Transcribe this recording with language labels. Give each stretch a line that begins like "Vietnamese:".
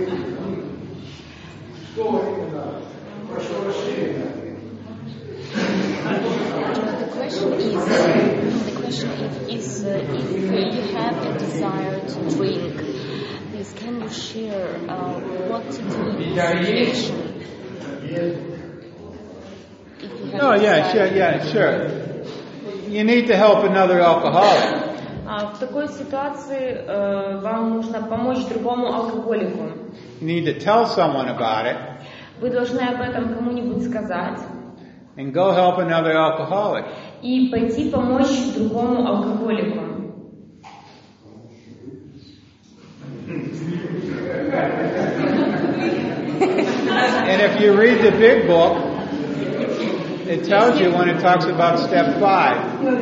Russian: Что делаешь и что в будущем это возможно? Если хочется выпить, выйти, что именно? Прошу расширения.
English: The question is, if you have a desire to drink, please can you share what to do in this situation? Oh yeah, sure. You need to help another alcoholic.
Russian: В такой ситуации вам нужно помочь другому алкоголику.
English: You need to tell someone about it.
Russian: Вы должны об этом кому-нибудь сказать.
English: And go help another alcoholic.
Russian: И пойти помочь другому алкоголику.
English: And if you read the big book, it tells you when it talks about step 5.